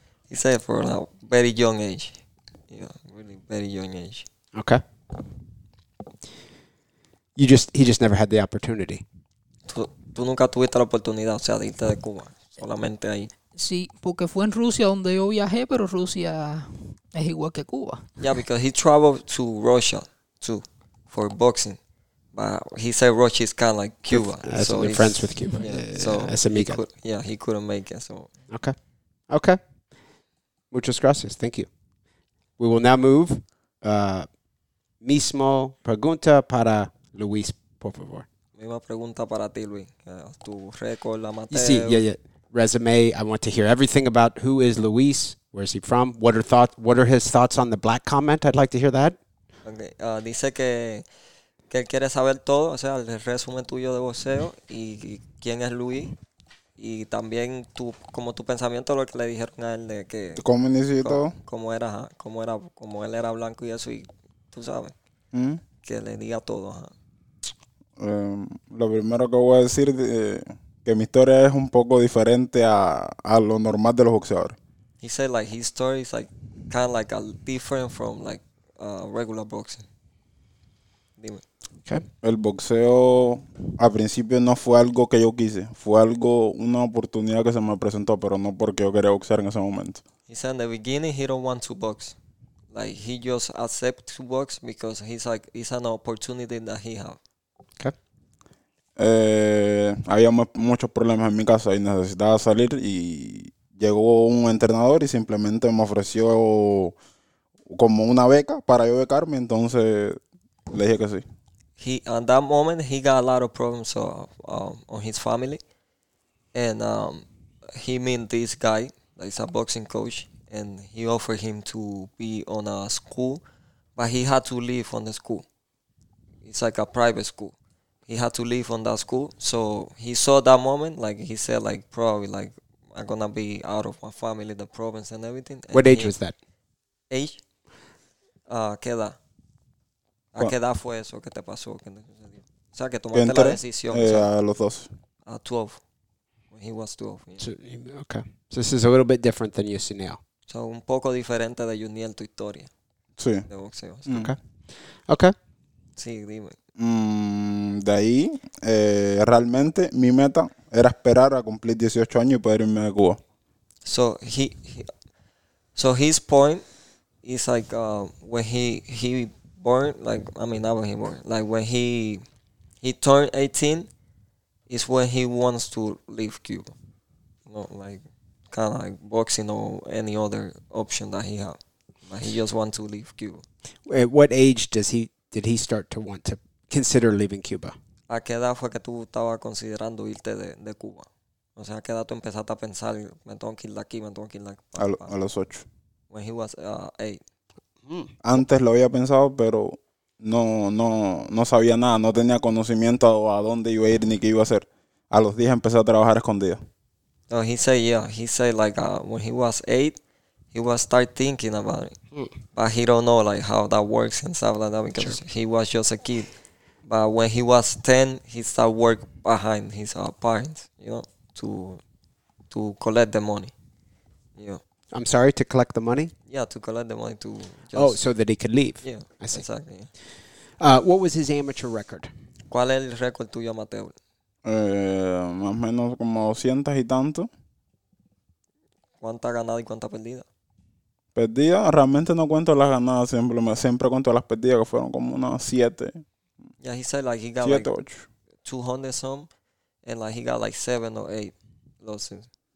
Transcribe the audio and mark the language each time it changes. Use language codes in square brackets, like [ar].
[en] He said for a very young age. Yeah, really very young age. Okay. He just never had the opportunity. [es] Tú nunca tuviste la oportunidad, o sea, de irte de Cuba, solamente ahí. Sí, porque fue en Rusia donde yo viajé, pero Rusia es igual que Cuba. [en] Yeah, because he traveled to Russia too for boxing, but he said Russia is kind of like Cuba. So we're friends with Cuba. Yeah, so as amigo. He couldn't make it. So okay. [es] Muchas gracias. [en] Thank you. We will now move. [es] Mismo pregunta para Luis, por favor. Misma pregunta para ti, Luis. Tu récord amateur. Sí, yeah. Resume. [en] I want to hear everything about who is Luis. Where is he from? What are his thoughts on the black comment? I'd like to hear that. Okay. [es] Dice que él quiere saber todo, o sea, el resumen tuyo de boxeo y quién es Luis y también tú como tu pensamiento lo que le dijeron a él de que. ¿Cómo necesito? Cómo él era blanco y eso y tú sabes. ¿Mm? Que le diga todo. Lo primero que voy a decir es que mi historia es un poco diferente a lo normal de los boxeadores. [en] He said like his story is like kind of like a different from like regular boxing. [es] Dime. [en] Okay. [es] El boxeo al principio no fue algo que yo quise. Fue algo, una oportunidad que se me presentó, pero no porque yo quería boxear en ese momento. [en] He said in the beginning he don't want to box. Like he just accepts to box because he's like it's an opportunity that he have. Okay. [es] Había muchos problemas en mi casa y necesitaba salir. Y llegó un entrenador y simplemente me ofreció como una beca para yo becarme. Entonces le dije que sí. [en] He, at that moment, he got a lot of problems on his family. And he met this guy that is a boxing coach. And he offered him to be on a school, but he had to leave on the school. It's like a private school. He had to leave on that school. So he saw that moment, like he said, like probably like I'm gonna be out of my family, the province and everything. And what age was that? [es] Age? ¿Qué edad? ¿A qué edad fue eso que te pasó? ¿Qué te sucedió? O sea, que tomaste la decisión. A los dos. [en] A 12. When he was 12. Yeah. So, okay. So this is a little bit different than Yusniel. [es] So un poco diferente de Yusniel tu historia. Sí. De boxeo. Sí. Okay. Okay. Sí, dime. De ahí, realmente, mi meta era esperar a cumplir 18 años y poder irme a Cuba. [en] So so his point is like when he born, like I mean not when he born, like when he turned 18 is when he wants to leave Cuba. Not like kind of like boxing or any other option that he had. But he just wants to leave Cuba. At what age did he start to want to consider leaving Cuba? [es] ¿A qué edad fue que tú estabas considerando irte de Cuba? O sea, ¿a qué edad tú empezaste a pensar, me tengo que ir de aquí, me tengo que ir de aquí? A los 8. [en] When he was 8. [es] Antes lo había pensado, pero no sabía nada, no tenía conocimiento a dónde iba a ir ni qué iba a hacer. A los 10 empecé a trabajar escondido. [en] No, he said, yeah, he said, like, when he was 8, he was start thinking about it. But he don't know, like, how that works and stuff like that, because sure. He was just a kid. But when he was 10, he started work behind his parents, you know, to collect the money. Yeah. I'm sorry, to collect the money? Yeah, to collect the money to just... Oh, so that he could leave. Yeah, I see. Exactly. Yeah. What was his amateur record? [es] ¿Cuál es el récord tuyo amateur? Más o menos como 200 y tanto. ¿Cuántas ganadas y cuántas perdidas? Perdidas, realmente no cuento las ganadas, siempre cuento las perdidas, que fueron como unas 7. [en] Yeah, he said like he got 7, like 8. 200 some, and like he got like 7 or 8 losses.